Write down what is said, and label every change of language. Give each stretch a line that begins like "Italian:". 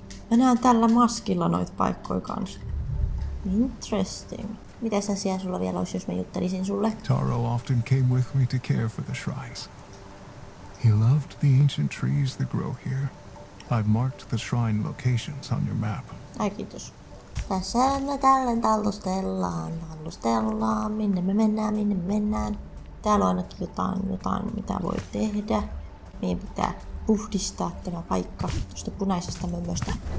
Finnish: Mä näen tällä maskilla noita paikkoja kans. Interesting. Mitäs asiaa sulla vielä olisi, jos mä juttelisin sulle?
English: Taro often came with me to care for the shrines. He loved the ancient trees that grow here. I've marked the shrine locations on your map.
Finnish: Ai kiitos. Tässä me tälleen tallustellaan. Minne me mennään. Täällä on ainakin jotain, mitä voi tehdä. Meidän pitää puhdistaa tämä paikka tuosta punaisesta mömmöstä.